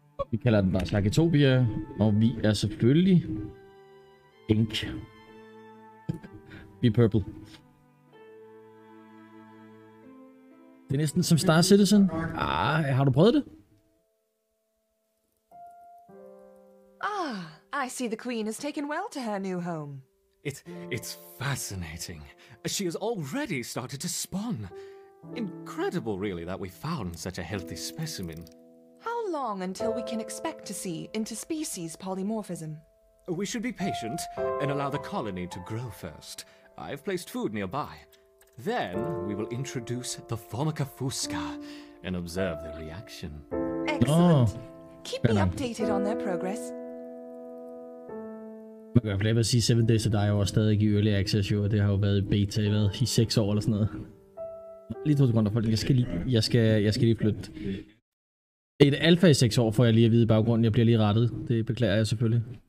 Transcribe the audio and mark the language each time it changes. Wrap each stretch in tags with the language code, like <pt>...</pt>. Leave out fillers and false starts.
<da>Vi kalder den bare Slagetopia, og vi er selvfølgelig...</da> <en>Ink. Be purple.</en> <da>Det er næsten som Star Citizen. Ah, har du prøvet det?</da> <en>Ah, I see the queen has taken well to her new home. It's fascinating. She has already started to spawn. Incredible, really, that we found such a healthy specimen. How long until we can expect to see interspecies polymorphism? We should be patient and allow the colony to grow first. I've placed food nearby. Then we will introduce the Formicafusca and observe their reaction. Excellent. Oh. Keep me updated on their progress.</en> <da>Man kan jo sige, 7 Days to Die er stadig i early access, og det har jo været beta i, hvad, i 6 år eller sådan noget. Lige 2 sekunder, folk. Jeg skal lige flytte. Et alfa i 6 år får jeg lige at vide i baggrunden. Jeg bliver lige rettet. Det beklager jeg selvfølgelig.</da>